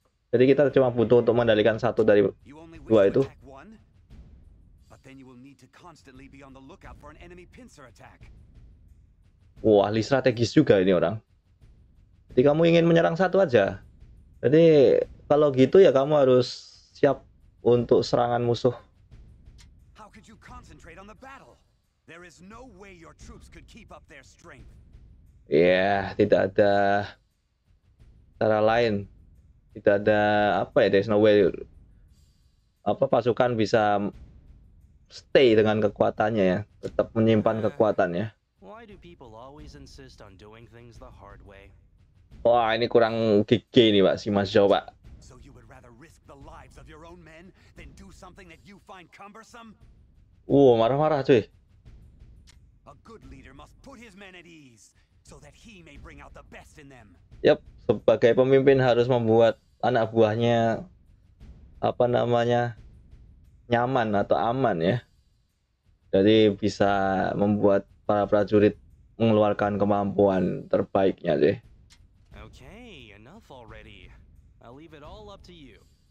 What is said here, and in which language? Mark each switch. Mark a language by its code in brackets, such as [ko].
[id] Jadi kita cuma butuh untuk mengendalikan satu dari dua itu. [en] But then you will need to constantly be on the lookout for an enemy pincer attack. [id] Wah, ahli strategis juga ini orang. Jadi kamu ingin menyerang satu aja. Jadi kalau gitu ya kamu harus siap untuk serangan musuh. [en] How could you concentrate on the battle? There is no way your troops could keep up their strength. [id] Yeah, tidak ada cara lain. Tidak ada apa ya, [en] there's no way [id] apa pasukan bisa stay dengan kekuatannya ya, tetap menyimpan kekuatannya. [en] Why do people always insist on doing things the hard way? [id] Wah, ini kurang gigi nih, Pak. Si Mas Jawa, Pak. [en] So you would rather risk the lives of your own men than do something that you find cumbersome? [id] Marah-marah, cuy. [en] A good leader must put his men at ease so that he may bring out the best in them. [id] Yep, sebagai pemimpin harus membuat anak buahnya apa namanya? Nyaman atau aman ya. Jadi bisa membuat para prajurit mengeluarkan kemampuan terbaiknya deh. [en] Okay, enough already. I'll leave it all up to you.